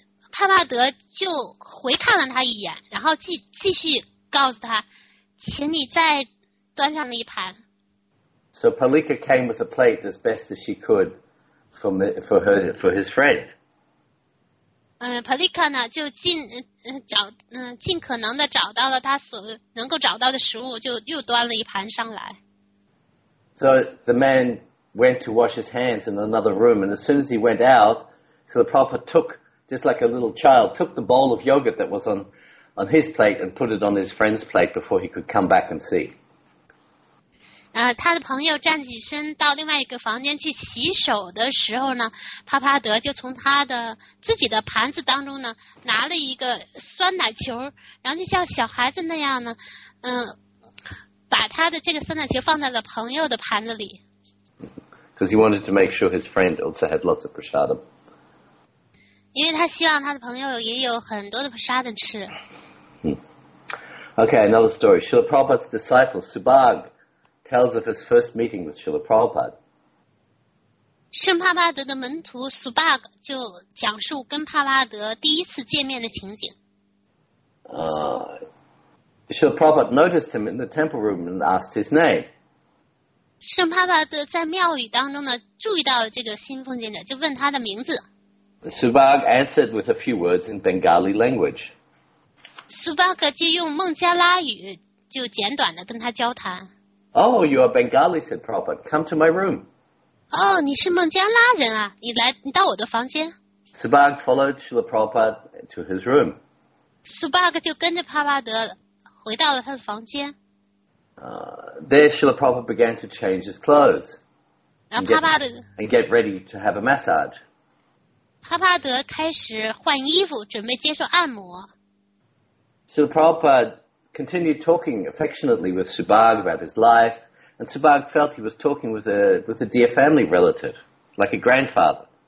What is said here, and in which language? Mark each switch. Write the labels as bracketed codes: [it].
[zh] 帕帕德就回看了他一眼，然后继续告诉他，请你再端上一盘。 [en] So Palika came with a plate as best as she could for his friend. [zh] Palika 呢就尽可能的找到了他所能够找到的食物，就又端了一盘上来。 [en] So the man went to wash his hands in another room, and as soon as he went out, Srila Prabhupada took. Just like a little child, took the bowl of yogurt that was on, on his plate and put it on his friend's plate before he could come back and see. [zh] 他的朋友站起身到另外一个房间去洗手的时候呢，帕帕德就从他的自己的盘子当中呢拿了一个酸奶球，然后就像小孩子那样呢，把他的这个酸奶球放在了朋友的盘子里。 [en] Because he wanted to make sure his friend also had lots of prasadam. [zh] 因为他希望他的朋友也有很多的 prasadam 吃。 [en] Okay, another story. Srila Prabhupada's disciple Subhag tells of his first meeting with Srila Prabhupada. [zh] 圣帕帕德的门徒 Subhag 就讲述跟帕帕德第一次见面的情景。 [en] Srila Prabhupada noticed him in the temple room and asked his name. [zh] 圣帕帕德在庙宇当中呢，注意到这个新奉献者，就问他的名字。 [en] Subhag answered with a few words in Bengali language. [zh] Subhag 就用孟加拉语就简短的跟他交谈。 [en] Oh, you are Bengali, said Prabhupada. Come to my room. [zh] Oh, 你是孟加拉人啊，你来，你到我的房间。 [en] Subhag followed Srila Prabhupada to his room. [zh] Subhag 就跟着帕帕德回到了他的房间。 [en] There, Srila Prabhupada began to change his clothes and get ready to have a massage. [zh] 帕帕德开始换衣服，准备接受按摩。 [en] Srila Prabhupada continued talking affectionately with Subhag about his life, and Subhag felt he was talking with a dear family relative, like a grandfather.